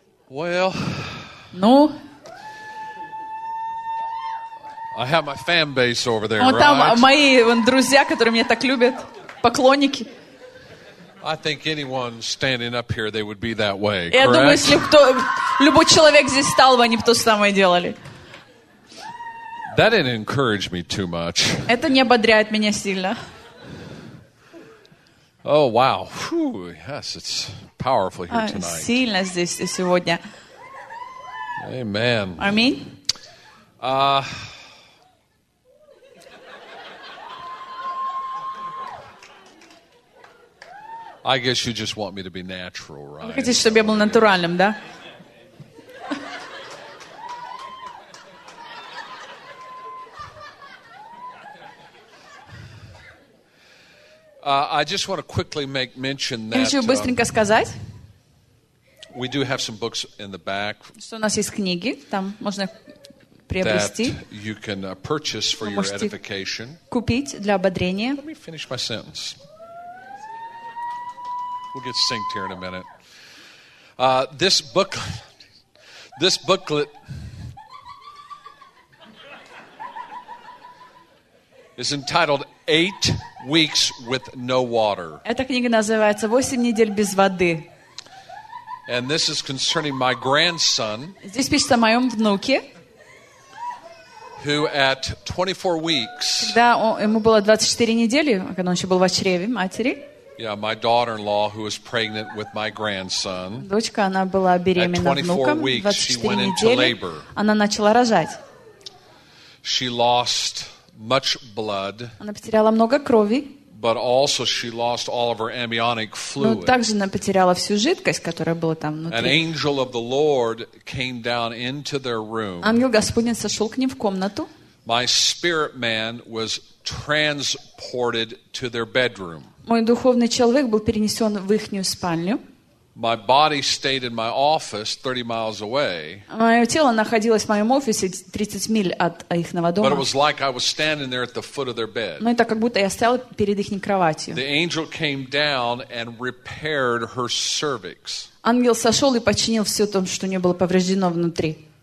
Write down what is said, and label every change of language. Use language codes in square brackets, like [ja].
[en] Well, [ru] ну? [en] I have my fan base over there, [ru] вон [en] right? [ru] Там мои вон, друзья, которые меня так любят, поклонники. [en] I think anyone standing up here, they would be that way. [ru] Я думаю, если кто, любой человек здесь стал бы, они бы то же самое делали. [en] That didn't encourage me too much. [ru] Это не ободряет меня сильно. [en] Oh wow! Whew, yes, it's powerful here tonight. [ru] Сильно здесь сегодня. [en] Amen. Amen. I guess you just want me to be natural, right? [ru] Вы хотите, чтобы я был натуральным, да? [en] I just want to quickly make mention that. [ru] Я хочу быстренько сказать. [en] We do have some books in the back. [ru] Что у нас есть книги, там можно приобрести. [en] That you can purchase for your edification. [ru] Купить для ободрения. [en] Let me finish my sentence. We'll get synced here in a minute. This booklet is entitled 8 Weeks with No Water. [ru] Эта книга называется «8 недель без воды». [en] And this is concerning my grandson. [ru] Здесь пишется о моем внуке. [en] Who at 24 weeks? [ru] Когда ему было 24 недели, когда он еще был в чреве матери. [en] Yeah, my daughter-in-law who was pregnant with my grandson. [ru] Дочка, она была беременна внуком. [en] At 24 weeks, she went into labor. [ru] Она начала рожать. [en] She lost much blood. [ru] Она потеряла много крови. [en] But also she lost all of her amniotic fluid. [ru] Но также она потеряла всю жидкость, которая была там внутри. [en] An angel of the Lord came down into their room. [ru] Ангел Господень сошел к ним в комнату. [en] My spirit man was transported to their bedroom. [ru] Мой духовный человек был перенесен в их спальню. [en] My body stayed in my office 30 miles away. [ru] Мое тело находилось в моем офисе 30 миль от их дома. [en] But it was like I was standing there at the foot of their bed. [ru] Но это как будто я стоял перед их кроватью. [en] The angel came down and repaired her cervix. [ru] Ангел сошел и починил все то, что у нее было повреждено внутри.